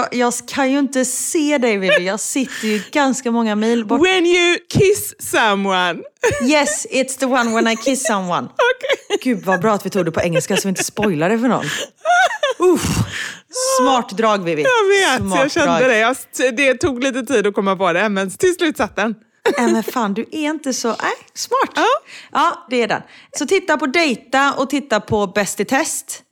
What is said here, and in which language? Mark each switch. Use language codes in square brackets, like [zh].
[sv] Jag kan ju inte se dig, Vivi. Jag sitter ju ganska många mil bort. [en] When you kiss someone. Yes, it's the one when I kiss someone. Okay. [sv] Gud, vad bra att vi tog det på engelska så vi inte spoilar det för någon. Uff. Smart drag, Vivi. Jag vet, smart jag kände drag. Det. Det tog lite tid att komma på det, men till slut satt den. Men fan, du är inte så... Nej, smart. Ja, det är den. Så titta på Dejta och titta på Bäst i test.